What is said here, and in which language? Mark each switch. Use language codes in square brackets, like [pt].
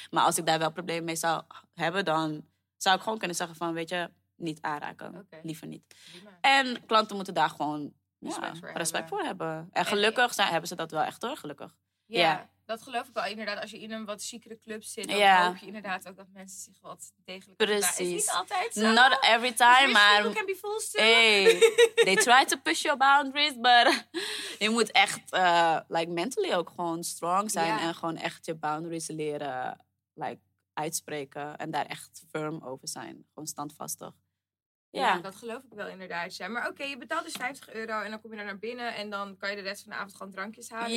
[nl] Maar als ik daar wel problemen mee zou hebben, dan zou ik gewoon kunnen zeggen van, weet je, niet aanraken. [en] Okay. [nl] Liever niet. En klanten moten daar gewoon respect voor hebben. En gelukkig hebben ze dat wel echt hoor, gelukkig. Ja. Yeah. Dat geloof ik wel. Inderdaad, als je in een wat chiquere club zit, dan hoop je inderdaad ook dat mensen zich wat degelijk... Precies. Dat is niet altijd zo. [en] Not every time, [nl] maar... [en] People can be fools too. Hey, they try to push your boundaries, but... [nl] Je moet echt mentally ook gewoon strong zijn en gewoon echt je boundaries leren uitspreken. En daar echt firm over zijn. Gewoon standvastig. Ja, dat geloof ik wel inderdaad. Ja. Maar oké, je betaalt dus 50 euro en dan kom je daar naar binnen en dan kan je de rest van de avond gewoon drankjes halen.